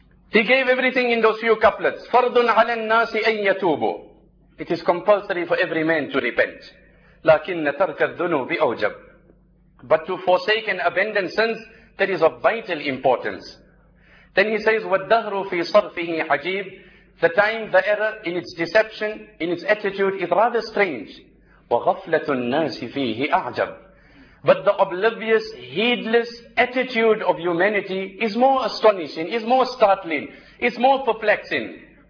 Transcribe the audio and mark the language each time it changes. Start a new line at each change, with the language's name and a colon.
English: He gave everything in those few couplets.
Arabic: فَرْضٌ عَلَى النَّاسِ أَن يَتُوبُ.
English: It is compulsory for every man to repent.
Arabic: لَكِنَّ تَرْكَ الذُّنُوبِ أَوْجَبُ.
English: But to forsake and abandon sins, that is of vital importance. Then he says,
Arabic: وَالدَّهْرُ فِي صَرْفِهِ عَجِيبٌ.
English: The time, the error in its deception, in its attitude is rather strange.
Arabic: وَغَفْلَةُ النَّاسِ فِيهِ أَعْجَبٌ.
English: But the oblivious, heedless attitude of humanity is more astonishing, is more startling, is more perplexing.